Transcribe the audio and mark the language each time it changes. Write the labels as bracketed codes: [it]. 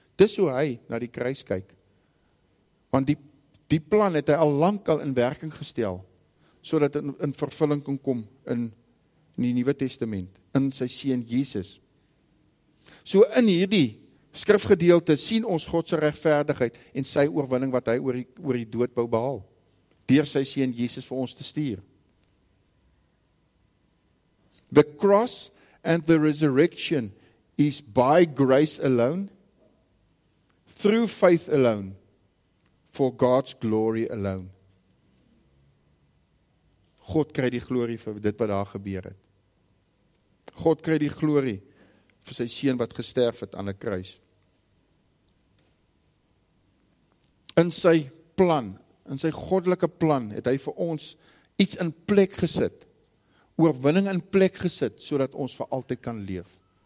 [af] Dis hoe hy na die kruis kyk. Want die plan het hy al lank al in werking gestel, sodat dit in vervulling kan kom in die Nuwe Testament, in sy seun Jesus. So in hierdie skrifgedeelte sien ons God se regverdigheid en sy oorwinning wat hy oor die dood wou behaal deur sy seun Jesus vir ons te stuur. [en] The cross and the resurrection is by grace alone, through faith alone, for God's glory alone. [af] God kry die glorie vir dit wat daar gebeur het. God kry die glorie vir sy seun wat gesterf het aan 'n kruis. In sy plan, in sy goddelike plan, het hy vir ons iets in plek gesit, oorwinning in plek gesit, sodat ons vir altyd kan leef.